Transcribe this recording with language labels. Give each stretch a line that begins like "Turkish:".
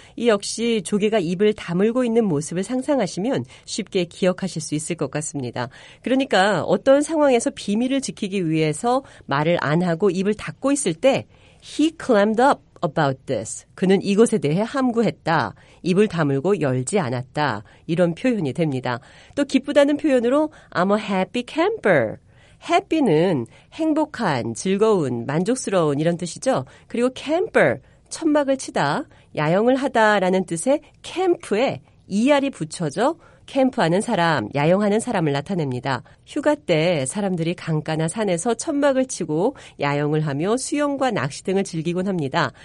Korean: 이 역시 조개가 입을 다물고 있는 모습을 상상하시면 쉽게 기억하실 수 있을 것 같습니다. 그러니까 어떤 상황에서 비밀을 지키기 위해서 말을 안 하고 입을 닫고 있을 때
English: he clammed up about this.
Korean: 그는 이것에 대해 함구했다. 입을 다물고 열지 않았다. 이런 표현이 됩니다. 또 기쁘다는 표현으로
English: I'm a happy camper.
Korean: happy는 행복한, 즐거운, 만족스러운 이런 뜻이죠. 그리고 camper, 천막을 치다, 야영을 하다라는 뜻의 camp에 er이 붙여져 캠프하는 사람, 야영하는 사람을 나타냅니다. 휴가 때 사람들이 강가나 산에서 천막을 치고 야영을 하며 수영과 낚시 등을 즐기곤 합니다.